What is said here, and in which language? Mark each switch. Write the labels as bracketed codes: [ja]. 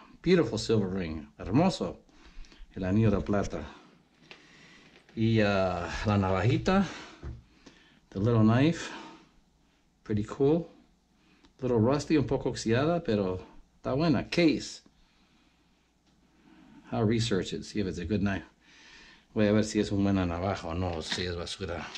[en] Beautiful silver ring. [es] Hermoso. El anillo de plata. Y la navajita. [en] The little knife. Pretty cool. A little rusty, [es] un poco oxidada, pero está buena. [en] Case. I'll research it, see if it's a good knife. [es] Voy a ver si es un buena navaja o no, si es basura.